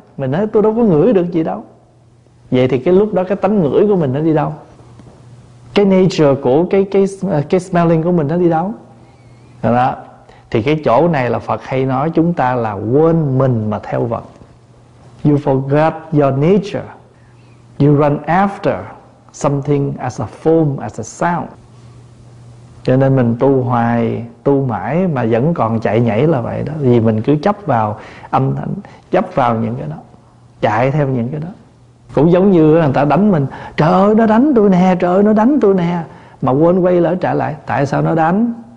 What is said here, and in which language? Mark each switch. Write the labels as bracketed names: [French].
[Vietnamese] Mình nói tôi đâu có ngửi được gì đâu. Vậy thì cái lúc đó cái tánh ngửi của mình nó đi đâu? Cái [English] nature [Vietnamese] của cái [English] smelling [Vietnamese] của mình nó đi đâu? Đó. Thì cái chỗ này là Phật hay nói chúng ta là quên mình mà theo vật. [English] You forget your nature. You run after something as a form, as a sound. [Vietnamese] Cho nên mình tu hoài, tu mãi mà vẫn còn chạy nhảy là vậy đó. Vì mình cứ chấp vào âm thanh, chấp vào những cái đó, chạy theo những cái đó. Cũng giống như người ta đánh mình, trời ơi nó đánh tôi nè, trời ơi nó đánh tôi nè, mà quên quay lại trả lại. Tại sao nó đánh?